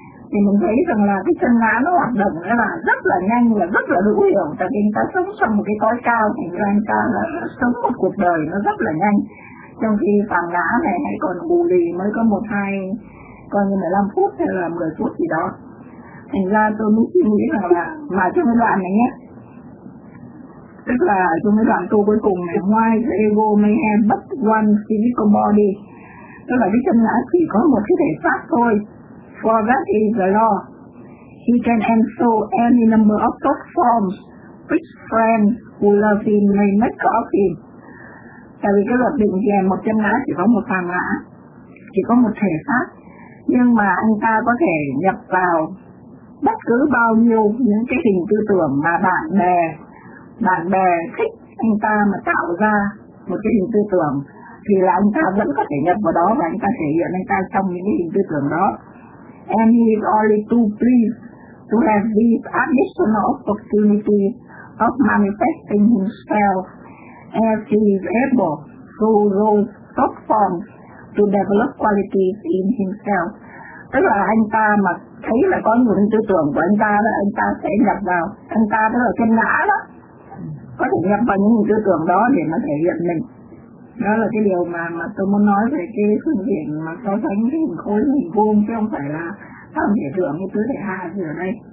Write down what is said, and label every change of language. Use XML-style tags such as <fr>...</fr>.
<vi>Thì mình thấy rằng là cái chân ngã nó hoạt động là rất là nhanh và rất là hữu hiệu, tại vì anh ta sống trong một cái cõi cao, thì anh ta là sống một cuộc đời nó rất là nhanh, trong khi phản ngã này hãy còn bù lì mới có 1-2 coi như 15 phút hay là 10 phút gì đó. Thành ra tôi mới suy nghĩ rằng là mà trong cái đoạn này nhé, tức là trong cái đoạn câu cuối cùng này,</vi> <en>why the ego may have but one physical body,</en> <vi>tức là cái chân ngã chỉ có một cái thể xác thôi.</vi> <en>For that is the law. He can ensue any number of thought forms which friends who love him may make of him.</en> <vi>Tại vì cái luật định về một chân ngã chỉ có một phản ngã, chỉ có một thể xác, nhưng mà anh ta có thể nhập vào bất cứ bao nhiêu những cái hình tư tưởng mà bạn bè thích anh ta mà tạo ra một cái hình tư tưởng, thì là anh ta vẫn có thể nhập vào đó và anh ta thể hiện anh ta trong những cái hình tư tưởng đó.</vi> <en>And he is only too pleased to have this additional opportunity of manifesting himself as he is able through those thought forms to develop qualities in himself.</en> <vi>Tức là anh ta mà thấy là có những tư tưởng của anh ta đó, anh ta sẽ nhập vào, anh ta đó ở trên ngã đó, có thể nhập vào những tư tưởng đó để mà thể hiện mình. Đó là cái điều mà tôi muốn nói về cái phương diện mà so sánh cái hình khối, hình vuông, chứ không phải là tham thể thượng như tứ thể hạ gì ở đây.</vi>